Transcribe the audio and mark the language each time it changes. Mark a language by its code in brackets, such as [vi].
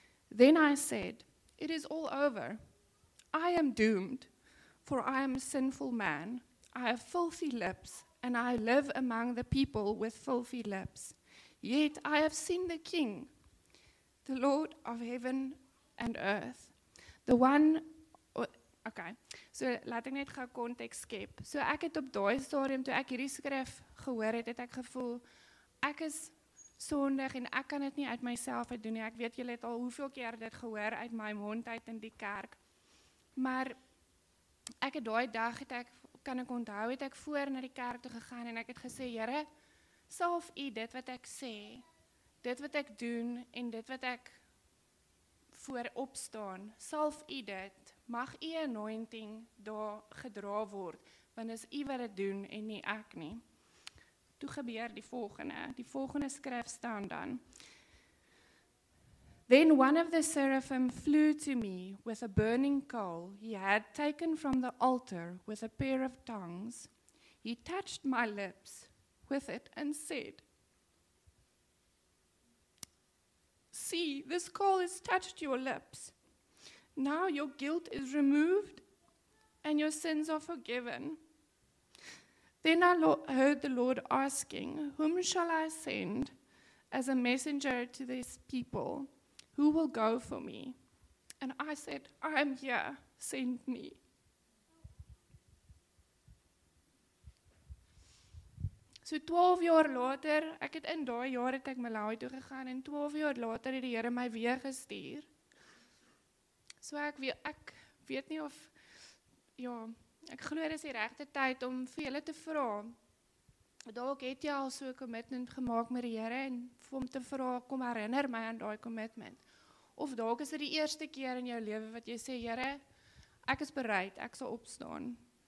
[en] Then I said, it is all over. I am doomed. For I am a sinful man, I have filthy lips, and I live among the people with filthy lips. Yet I have seen the King, the Lord of heaven and earth. The one, okay, [af] so laat ek net gaan context skep. So ek het op daai stadium, toe ek hierdie skrif gehoor het, het ek gevoel, ek is sondig en ek kan het nie uit myself uit doen nie. Ek weet julle het al hoeveel keer dit gehoor uit my mond uit in die kerk, maar ek het daai dag, het ek voor na die kerk toe gegaan en ek het gesê, Here, salf u dit wat ek sê, dit wat ek doen en dit wat ek voor opstaan, salf u dit, mag u anointing daar gedra word, want is u wat dit doen en nie ek nie. Toe gebeur die volgende skrif staan dan. [en] Then one of the seraphim flew to me with a burning coal he had taken from the altar with a pair of tongs. He touched my lips with it and said, see, this coal has touched your lips. Now your guilt is removed and your sins are forgiven. Then I heard the Lord asking, whom shall I send as a messenger to this people? Who will go for me? And I said, I am here, send me. [af] So 12 jaar later, ek het in daai jaar het ek Malawi toe gegaan, en 12 jaar later het die Here my weer gestuur. So ek weet nie of, ja, ek glo dis die regte tyd om vir julle te vra, dalk het jy al so 'n commitment gemaak met die Here, en vir hom te vra, kom herinner my aan daai commitment. Of dalk is dit die eerste keer in jou lewe wat jy sê, Here, ek is bereid, ek sal opstaan.